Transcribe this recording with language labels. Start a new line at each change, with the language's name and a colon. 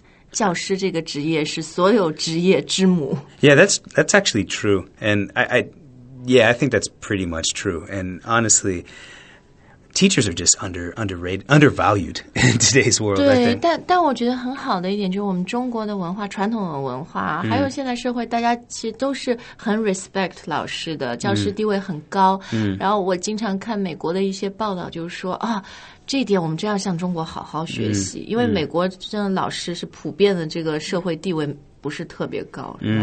Chinese: 教师这个职业是所有职业之母。
English: Yeah, that's actually true. And I think that's pretty much true. And honestly,Teachers are just undervalued in today's world.
Chinese: 对，但我觉得很好的一点就是我们中国的文化，传统的文化，还有现在社会，大家其实都是很 respect 老师的，教师地位很高。然后我经常看美国的一些报道，就是说啊，这一点我们真要向中国好好学习，因为美国真的老师是普遍的这个社会地位不是特别高。